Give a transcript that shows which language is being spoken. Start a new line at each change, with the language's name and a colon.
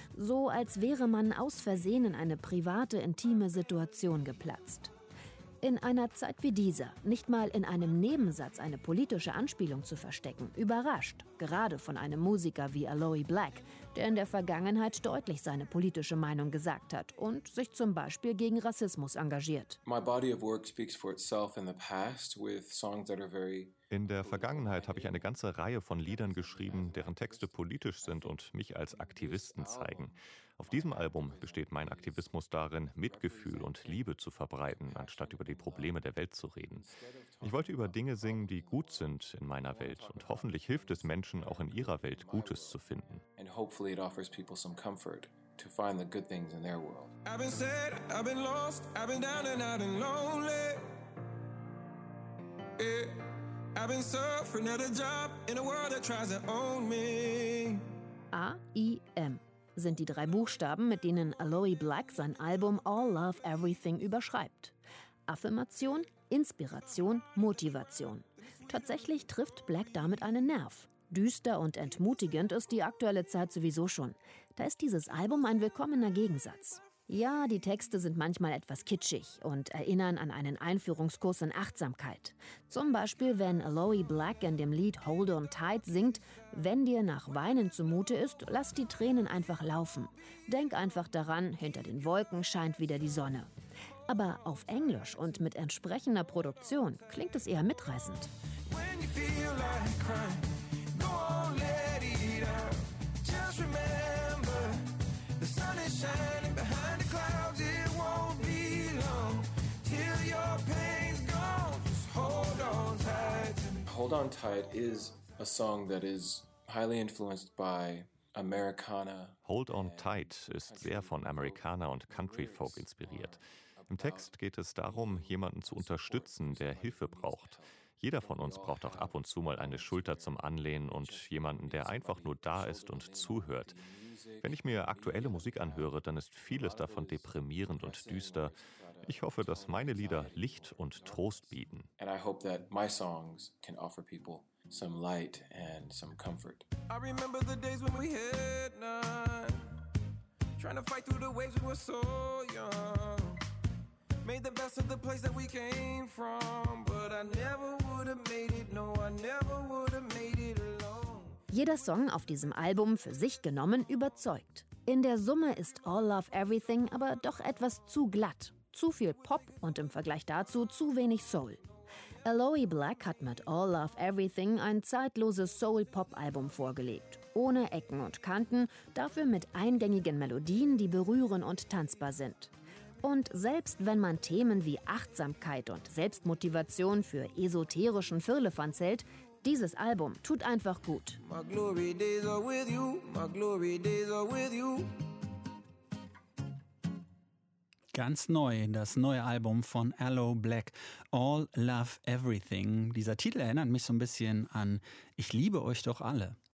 German: So als wäre man aus Versehen in eine private, intime Situation geplatzt. In einer Zeit wie dieser, nicht mal in einem Nebensatz eine politische Anspielung zu verstecken, überrascht, gerade von einem Musiker wie Aloe Black, der in der Vergangenheit deutlich seine politische Meinung gesagt hat und sich zum Beispiel gegen Rassismus engagiert.
English: My body of work speaks for itself in the past with songs that are very.
German: In der Vergangenheit habe ich eine ganze Reihe von Liedern geschrieben, deren Texte politisch sind und mich als Aktivisten zeigen. Auf diesem Album besteht mein Aktivismus darin, Mitgefühl und Liebe zu verbreiten, anstatt über die Probleme der Welt zu reden. Ich wollte über Dinge singen, die gut sind in meiner Welt und hoffentlich hilft es Menschen, auch in ihrer Welt Gutes zu finden.
English: And hopefully it offers people some comfort to find the good things in their world. I've been sad, I've been lost, I've been down and I've been lonely. Yeah. I've been surfing at a job in a world that tries to own me.
German: A-I-M sind die drei Buchstaben, mit denen Aloe Black sein Album All Love Everything überschreibt. Affirmation, Inspiration, Motivation. Tatsächlich trifft Black damit einen Nerv. Düster und entmutigend ist die aktuelle Zeit sowieso schon. Da ist dieses Album ein willkommener Gegensatz. Ja, die Texte sind manchmal etwas kitschig und erinnern an einen Einführungskurs in Achtsamkeit. Zum Beispiel, wenn Aloe Black in dem Lied Hold On Tight singt, wenn dir nach Weinen zumute ist, lass die Tränen einfach laufen. Denk einfach daran, hinter den Wolken scheint wieder die Sonne. Aber auf Englisch und mit entsprechender Produktion klingt es eher mitreißend.
English: When you feel like crying. Hold On Tight is a song that is highly influenced by Americana.
German: Hold On Tight ist sehr von Amerikaner und Country Folk inspiriert. Im Text geht es darum, jemanden zu unterstützen, der Hilfe braucht. Jeder von uns braucht auch ab und zu mal eine Schulter zum Anlehnen und jemanden, der einfach nur da ist und zuhört. Wenn ich mir aktuelle Musik anhöre, dann ist vieles davon deprimierend und düster. Ich hoffe, dass meine Lieder Licht und Trost bieten.
English: And I hope that my songs can offer people some light and some comfort. I remember the days when we had none, trying to fight through the waves, we were so young. Made the best of the place that we came from, but I never would have made it, no, I never would have made it alone.
German: Jeder Song auf diesem Album für sich genommen überzeugt. In der Summe ist All Love Everything aber doch etwas zu glatt. Zu viel Pop und im Vergleich dazu zu wenig Soul. Aloe Black hat mit All Love Everything ein zeitloses Soul-Pop-Album vorgelegt. Ohne Ecken und Kanten, dafür mit eingängigen Melodien, die berühren und tanzbar sind. Und selbst wenn man Themen wie Achtsamkeit und Selbstmotivation für esoterischen Firlefanz hält, dieses Album tut einfach gut.
English: My glory days are with you, my glory days are with you.
German: Ganz neu, das neue Album von Aloe Black, All Love Everything. Dieser Titel erinnert mich so ein bisschen an Ich liebe euch doch alle.